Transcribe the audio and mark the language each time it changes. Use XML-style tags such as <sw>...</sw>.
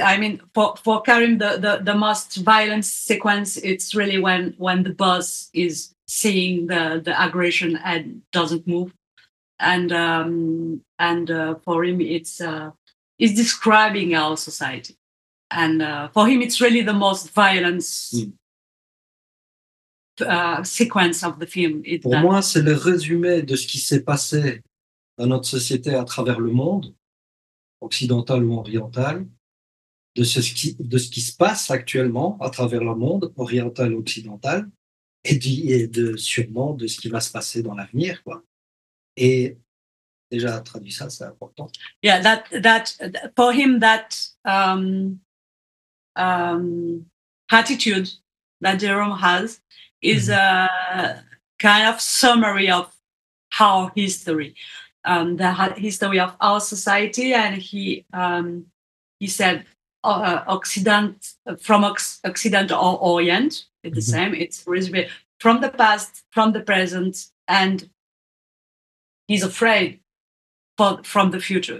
<en>I mean, for Karim, the most violent sequence, it's really when the boss is seeing the aggression and doesn't move, and for him it's describing our society, and for him it's really the most violent sequence of the film.</en> <fr>Pour moi, c'est le résumé de ce qui s'est passé dans notre société à travers le monde. Occidentale ou orientale, de ce qui se passe actuellement à travers le monde, oriental ou occidental, et sûrement de ce qui va se passer dans l'avenir, quoi. Et déjà traduit ça, c'est important.</fr> <en>Yeah, that for him that attitude that Jerome has is a kind of summary of our history. The history of our society, and he said Occident, from Occident or Orient, it's the same, it's really from the past, from the present, and he's afraid from the future.</en>